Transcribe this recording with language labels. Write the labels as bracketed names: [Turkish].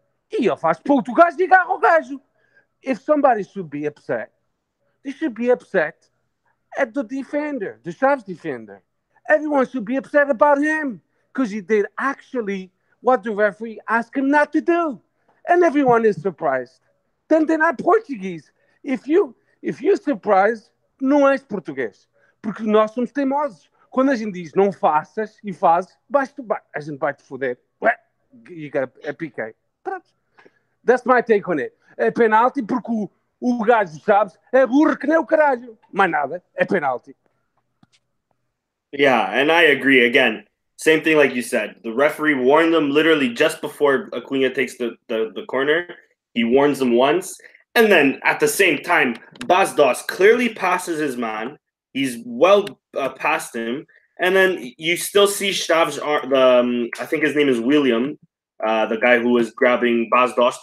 [Portuguese] E eu faço pouco gajo e agarro o gajo. [English] If somebody should be upset, they should be upset at the defender, the Xavi's defender. Everyone should be upset about him because he did actually what the referee asked him not to do. And everyone is surprised. Then they're not Portuguese. If you're surprised, [Portuguese] não és português. Porque nós somos teimosos. Quando a gente diz não faças e faz, a gente vai te foder. [English] You got a PK. That's my take on it. [Portuguese] É penalti porque o gajo, sabes, é burro que nem o caralho. Mais nada, é penalti. [English] Yeah, and I agree. Again, Same thing, like you said, the referee warned them literally just before Acuña takes the corner. He warns them once. And then at the same time, Bazdas clearly passes his man. He's well past him. And then you still see Stav's arm, I think his name is William, the guy who was grabbing Bazdas.